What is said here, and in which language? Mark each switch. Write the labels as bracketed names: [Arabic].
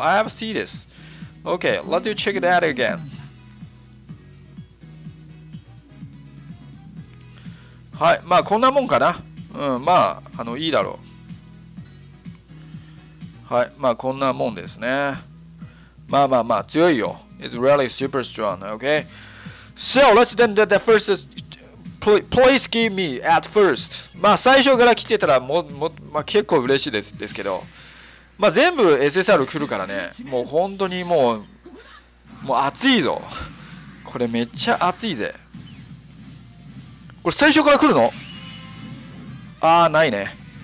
[English] I have seen this. Okay. Let you check that again. [Japanese] はい。まあこんなもんかな。うん。まああのいいだろう。はい、まあこんなもんですね。まあまあまあ強いよ。 [English] It's really super strong. Okay. So let's then the first please give me at first. [Japanese] まあ最初から来てたらもまあ結構嬉しいですけど、まあ全部 SSR 来るからね。もう本当にもう熱いぞ。これめっちゃ熱いぜ。これ最初から来るの？ああないね。